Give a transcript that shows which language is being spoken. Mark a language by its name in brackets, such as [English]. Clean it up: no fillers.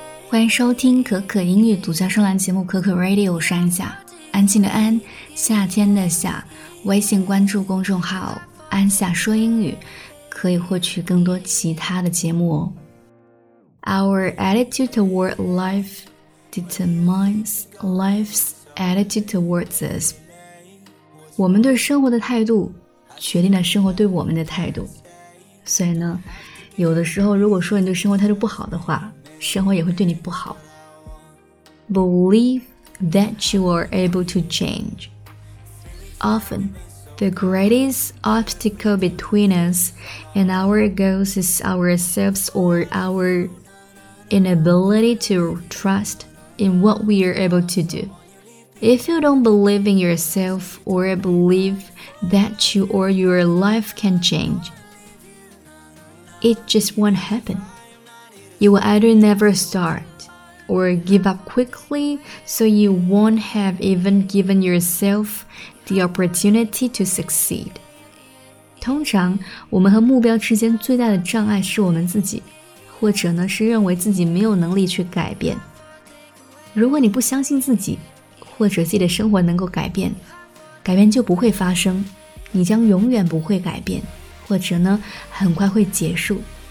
[Chinese] 欢迎收听可可英语独家声栏节目可可 Radio， 我是安夏，安静的安，夏天的夏。微信关注公众号安夏说英语，可以获取更多其他的节目哦。 [English] Our attitude toward life determines life's attitude towards us. [Chinese] 我们对生活的态度决定了生活对我们的态度。所以呢，有的时候如果说你对生活态度不好的话，生活也会对你不好。 [English] Believe that you are able to change. Often, the greatest obstacle between us and our goals is ourselves or our inability to trust in what we are able to do. If you don't believe in yourself or believe that you or your life can change, it just won't happen. You will either never start or give up quickly, so you won't have even given yourself the opportunity to succeed. [Chinese] 通常我们和目标之间最大的障碍是我们自己，或者呢是认为自己没有能力去改变。如果你不相信自己或者自己的生活能够改变，改变就不会发生，你将永远不会改变，或者呢很快会结束。